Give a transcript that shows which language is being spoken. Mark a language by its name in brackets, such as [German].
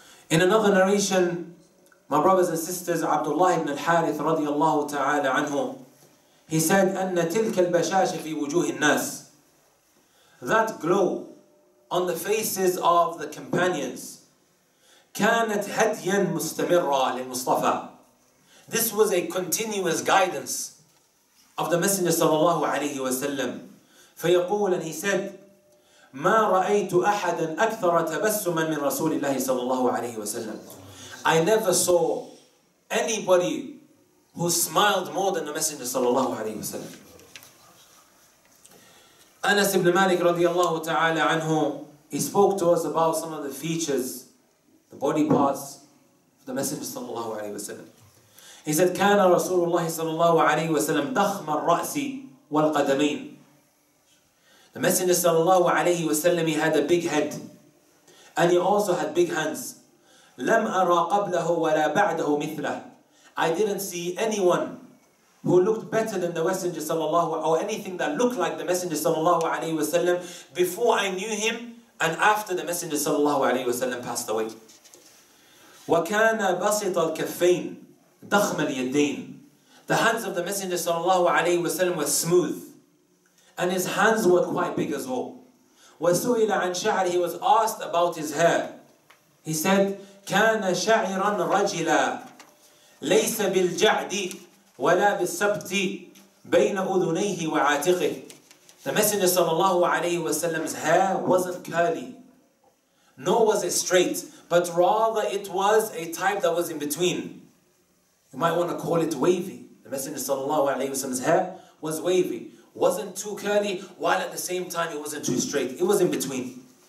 [English] In another narration, my brothers and sisters, Abdullah ibn al-Harith radiallahu ta'ala anhu, he said, [Arabic] أَنَّ تِلْكَ الْبَشَاشَ فِي وُجُوهِ النَّاسِ. [English] That glow on the faces of the companions, [Arabic] كَانَتْ هَدْيًا مُسْتَمِرًا لِلْمُصْطَفَى. [English] This was a continuous guidance of the Messenger صلى الله عليه وسلم. [Arabic] فَيَقُولَ, [English] and he said, [Arabic] مَا رَأَيْتُ أَحَدًا أَكْثَرَ تَبَسُّمًا مِنْ رَسُولِ اللَّهِ صلى الله عليه وسلم. [English] I never saw anybody who smiled more than the Messenger sallallahu alayhi wa sallam. Anas ibn Malik radiallahu ta'ala anhu, he spoke to us about some of the features, the body parts of the Messenger sallallahu alayhi wa sallam. He said, [Arabic] كَانَ رَسُولُ اللَّهِ صَلَى اللَّهُ عَلَيْهِ وَسَلَمْ دَخْمَ الرَّأْسِ وَالْقَدَمَيْنِ. [English] The Messenger sallallahu alayhi wa sallam, he had a big head and he also had big hands. [Arabic] لَمْ أَرَى قَبْلَهُ وَلَا بَعْدَهُ مِثْلَهُ. [English] I didn't see anyone who looked better than the Messenger sallallahu, or anything that looked like the Messenger sallallahu alayhi wa sallam before I knew him and after the Messenger sallallahu alayhi wa sallam passed away. [Arabic] وَكَانَ بَسِطَ الْكَفَّيْنِ دَخْمَ الْيَدَّيْنِ. [English] The hands of the Messenger sallallahu alayhi wa sallam were smooth and his hands were quite big as well. [Arabic] وَسُئِلَ عَنْ شَعْرِ, [English] he was asked about his hair. He said, [Arabic] كَانَ شَعِرًا رَجِلًا لَيْسَ بِالْجَعْدِ وَلَا بِالْسَبْتِ بَيْنَ أُذُنَيْهِ وَعَاتِقِهِ. [English] The Messenger sallallahu alayhi wa sallam's hair wasn't curly, nor was it straight, but rather it was a type that was in between. You might want to call it wavy. The Messenger sallallahu alayhi wa sallam's hair was wavy. Wasn't too curly, while at the same time it wasn't too straight. It was in between.